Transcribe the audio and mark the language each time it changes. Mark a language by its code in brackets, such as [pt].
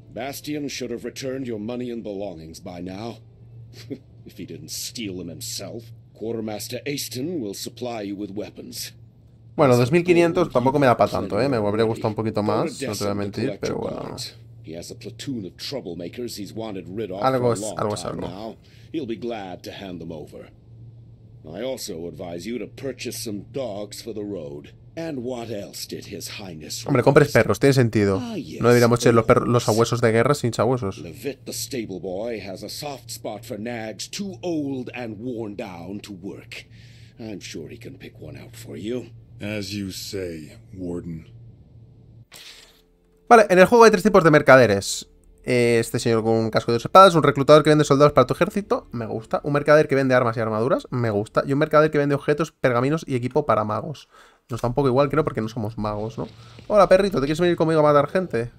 [en] Bastian should have returned your money and belongings by now. If he didn't steal them himself, Quartermaster Aston will supply you with weapons. [es] Bueno, 2.500 tampoco me da para tanto, ¿eh? Me habría gustado un poquito más, no te voy a mentir, pero bueno. [en] He has a platoon of troublemakers he's wanted rid of for a long time now. He'll be glad to hand them over. I also advise you to purchase some dogs for the road. And what else did his highness request? [es] Hombre, compres perros, tiene sentido. No deberíamos ser los sabuesos de guerra sin sabuesos. [en] Levitt, the stable boy, has a soft spot for nags too old and worn down to work. I'm sure he can pick one out for you. As you say, Warden. [es] Vale, en el juego hay tres tipos de mercaderes. Este señor con un casco de dos espadas, un reclutador que vende soldados para tu ejército, me gusta. Un mercader que vende armas y armaduras, me gusta. Y un mercader que vende objetos, pergaminos y equipo para magos. Nos da un poco igual, creo, porque no somos magos, ¿no? Hola, perrito, ¿te quieres venir conmigo a matar gente?